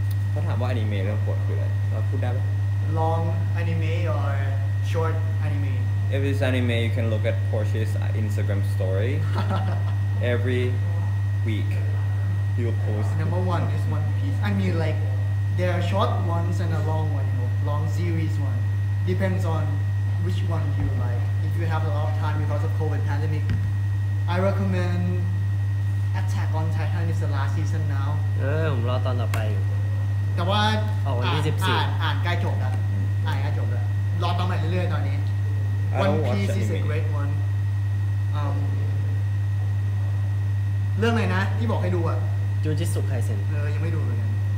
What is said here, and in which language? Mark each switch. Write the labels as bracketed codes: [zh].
[th] เขาถามว่าอนิเมะเรื่องโปรดคืออะไรเราพูดได้ไหม [en] Long anime or short anime? If it's anime, you can look at Porsche's Instagram story. Every week, he will post. Number one is One Piece. I mean, like there are short ones and a long one. You know, long series one. Depends on which one you like. If you have a lot of time because of COVID pandemic, I recommend. Attack on Titan is the last season now. [th] เออผมรอตอนต่อไปอยู่แต่ว่า อ่าน ใกล้จบแล้วใกล้จบแล้วรอต่อใหม่เรื่อยๆตอนนี้ [en] One Piece is a great one [th] เรื่องไหนนะที่บอกให้ดูอ่ะ จูจิสุไคเซ็น เออยังไม่ดูเหมือนกัน